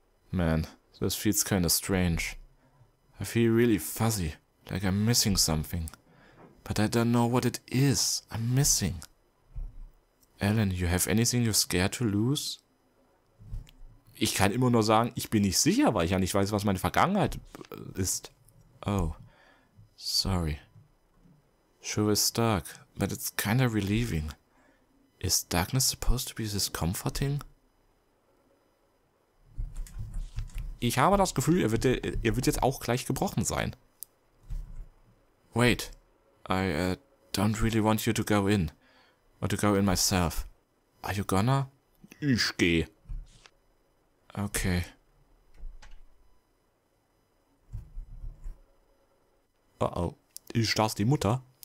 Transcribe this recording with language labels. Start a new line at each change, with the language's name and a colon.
English: Man, this feels kinda strange. I feel really fuzzy, like I'm missing something. But I don't know what it is I'm missing. Alan, you have anything you're scared to lose?
German: Ich kann immer nur sagen, ich bin nicht sicher, weil ich ja nicht weiß, was meine Vergangenheit ist.
English: Oh, sorry. Sure is dark, but it's kinda relieving. Is darkness supposed to be this comforting?
German: Ich habe das Gefühl, er wird jetzt auch gleich gebrochen sein.
English: Wait. I don't really want you to go in. Or to go in myself. Are you gonna?
German: Ich gehe.
English: Okay.
German: Oh. Ist das die Mutter?